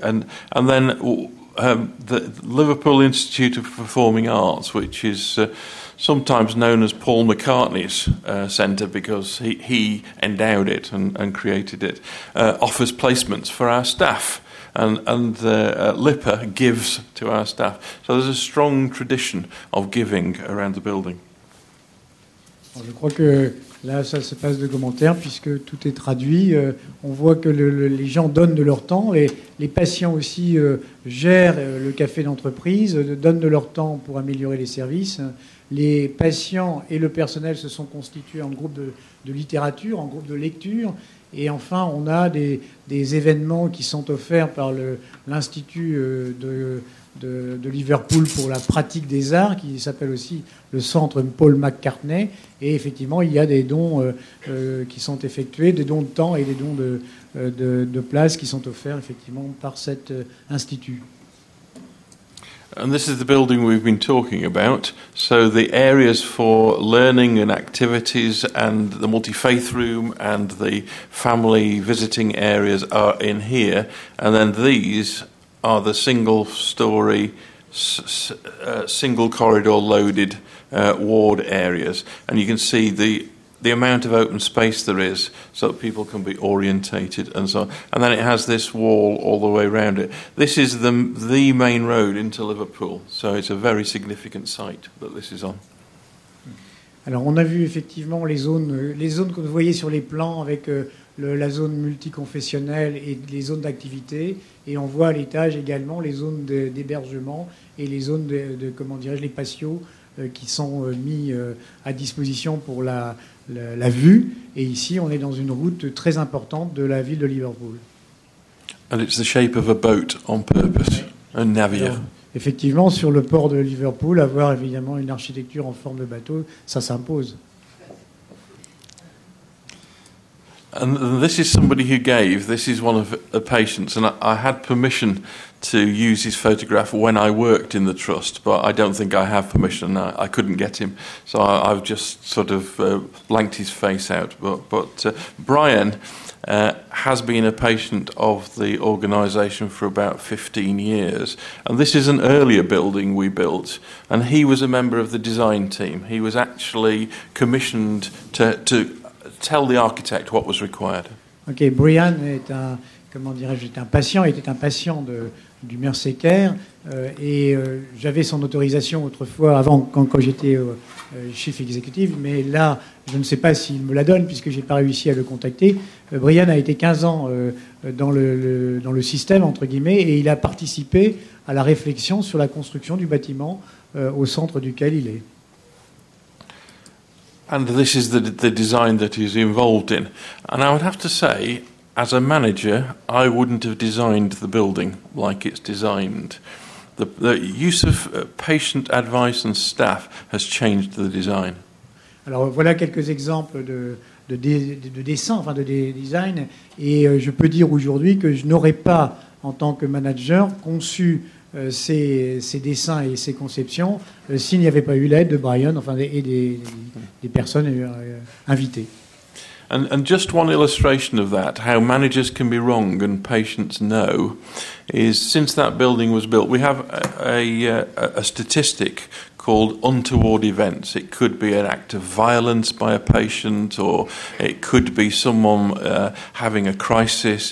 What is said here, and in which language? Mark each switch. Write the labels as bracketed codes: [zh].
[en] And then the Liverpool Institute of Performing Arts, which is sometimes known as Paul McCartney's centre because he endowed it and created it, offers placements for our staff. And Lipper gives to our staff. So there's a strong tradition of giving around the building. [fr] Je crois que là, ça se passe de commentaires, puisque tout est traduit. On voit que les gens donnent de leur temps. Les patients aussi gèrent le café d'entreprise, donnent de leur temps pour améliorer les services. Les patients et le personnel se sont constitués en groupe de littérature, en groupe de lecture. Et enfin, on a des événements qui sont offerts par l'Institut de Liverpool pour la pratique des arts, qui s'appelle aussi le Centre Paul McCartney. Et effectivement, il y a des dons qui sont effectués, des dons de temps et des dons de place qui sont offerts effectivement par cet institut. [en] And this is the building we've been talking about. So the areas for learning and activities and the multi-faith room and the family visiting areas are in here. And then these are the single-storey, single-corridor-loaded ward areas. And you can see the amount of open space there is so that people can be orientated and so on. And then it has this wall all the way around it. This is the main road into Liverpool, so it's a very significant site that this is on. [fr] Alors, on a vu effectivement les zones que vous voyez sur les plans avec la zone multiconfessionnelle et les zones d'activité. Et on voit à l'étage également les zones d'hébergement et les zones les patios qui sont mis à disposition pour la vue. Et ici, on est dans une route très importante de la ville de Liverpool. [en] And it's the shape of a boat on purpose, a navire. [fr] Alors, effectivement, sur le port de Liverpool, avoir évidemment une architecture en forme de bateau, ça s'impose. [en] And this is somebody who gave. This is one of the patients, and I had permission to use his photograph when I worked in the trust, but I don't think I have permission. I couldn't get him, so I've just sort of blanked his face out. But Brian has been a patient of the organisation for about 15 years, and this is an earlier building we built, and he was a member of the design team. He was actually commissioned to tell the architect what was required. [fr] Okay, Brian est un, comment dirais-je, était un patient du Mercer Care, et j'avais son autorisation autrefois avant quand j'étais chef exécutif, mais là je ne sais pas s'il me la donne puisque j'ai pas réussi à le contacter. Brian a été 15 ans dans le système entre guillemets, et il a participé à la réflexion sur la construction du bâtiment au centre duquel il est. [en] And this is the design that he's involved in. And I would have to say, as a manager, I wouldn't have designed the building like it's designed. The use of patient advice and staff has changed the design. [fr] Alors voilà quelques exemples de design. Et je peux dire aujourd'hui que je n'aurais pas, en tant que manager, conçu ces dessins et ces conceptions s'il n'y avait pas eu l'aide de Brian et des personnes invitées. [en] And just one illustration of that, how managers can be wrong and patients know, is since that building was built, we have a statistic called untoward events. It could be an act of violence by a patient, or it could be someone having a crisis.